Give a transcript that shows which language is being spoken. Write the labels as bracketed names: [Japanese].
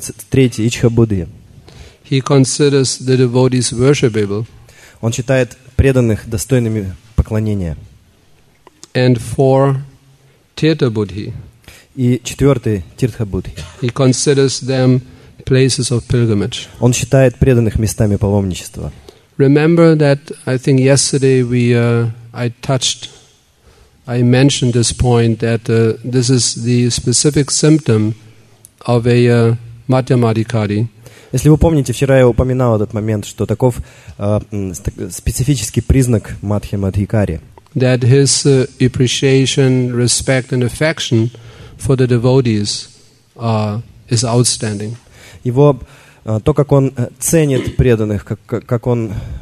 [Russian] Третий — Ichha Buddhi. [English] He considers the devotees worshipable. [Russian] Он считает преданных достойными поклонения. [English] And four, Tirtha Buddhi. [Russian] И четвертый — Тиртха Буддхи. [English] He considers them places of pilgrimage. [Russian] Он считает преданных местами паломничества. [English] Remember that I think yesterday I mentioned this point that this is the specific symptom of a Madhyam Adhikari. [Russian] Если вы помните, вчера я упоминал этот момент, что таков специфический признак Мадхьям Адхикари. [English] That his appreciation, respect and affection for the devotees is outstanding. [Russian] Его то, как он ценит преданных, как он